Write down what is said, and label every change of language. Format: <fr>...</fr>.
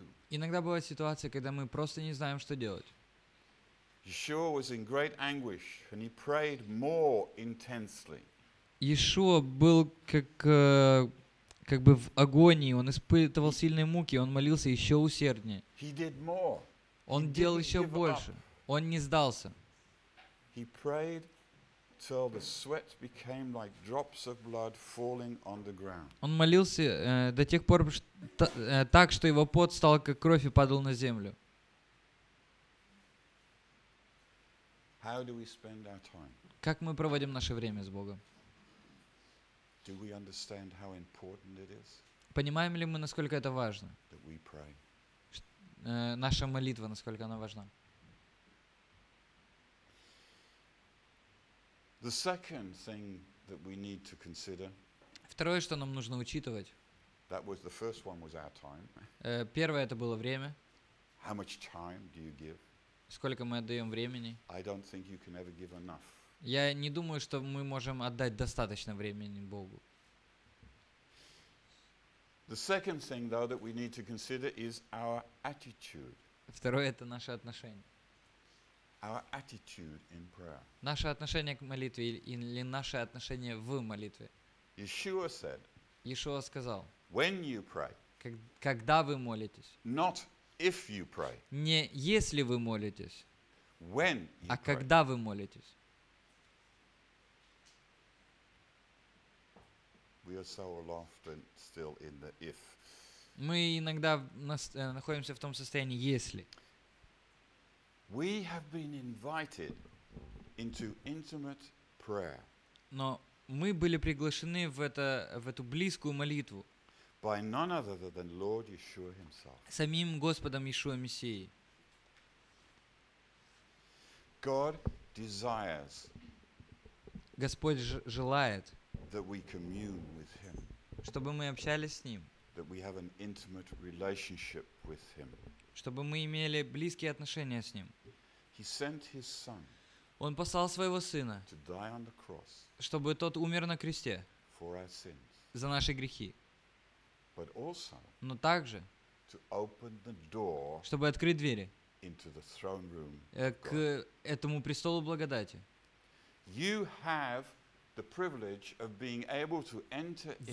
<ru>Иногда бывает ситуация, когда мы просто не знаем, что делать.</ru> <en>Yeshua was in great anguish, and he prayed more intensely.</en> <ru>Иешуа был как бы в агонии, он испытывал сильные муки, он молился еще усерднее.</ru> <en>He did more.</en> <ru>Он делал еще больше. Он не сдался.</ru> <en>He prayed till the sweat became like drops of blood falling on the ground.</en> <ru>Он молился до тех пор, так что его пот стал как кровь и падал на землю.</ru> <en>How do we spend our time?</en> <ru>Как мы проводим наше время с Богом?</ru> <en>Do we understand how important it is?</en> <ru>Понимаем ли мы, насколько это важно?</ru> <en>That we pray.</en> <ru>Наша молитва, насколько она важна?</ru> <en>The second thing that we need to consider.</en> <ru>Второе, что нам нужно учитывать.</ru> <en>That was the first one was our time.</en> <ru>Первое это было время.</ru> <en>How much time do you give?</en> <ru>Сколько мы отдаем времени?</ru> <en>I don't think you can ever give enough.</en> <ru>Я не думаю, что мы можем отдать достаточно времени Богу.</ru> <en>The second thing though that we need to consider is our attitude.</en> <ru>Второе это наше отношение.</ru> <en>Our attitude in prayer.</en> <ru>Наше отношение к молитве или наше отношение в молитве.</ru> <en>Yeshua said.</en> <ru>Иешуа сказал.</ru> <en>When you pray.</en> <ru>Когда вы молитесь.</ru> <en>Not if you pray.</en> <ru>Не если вы молитесь.</ru> <en>When you pray.</en> <ru>А когда вы молитесь.</ru> <en>We are so often still in the if.</en> <ru>Мы иногда находимся в том состоянии если.</ru> <en>We have been invited into intimate prayer.</en> <ru>Но мы были приглашены в эту близкую молитву.</ru> <en>By none other than Lord Yeshua himself.</en> <ru>Самим Господом Иешуа Мессией.</ru> <en>God desires.</en> <ru>Господь желает.</ru> <en>That we commune with him.</en> <ru>Чтобы мы общались с ним.</ru> <en>That we have an intimate relationship with him.</en> <ru>Чтобы мы имели близкие отношения с ним.</ru> <en>He sent his son.</en> <ru>Он послал своего сына.</ru> <en>To die on the cross.</en> <ru>Чтобы тот умер на кресте.</ru> <en>For our sins.</en> <ru>За наши грехи.</ru> <en>But also.</en> <ru>Но также.</ru> <en>To open the door.</en> <ru>Чтобы открыть двери.</ru> <en>Into the throne room.</en> <ru>К этому престолу благодати.</ru> <en>You have the privilege of being able to enter into.</en>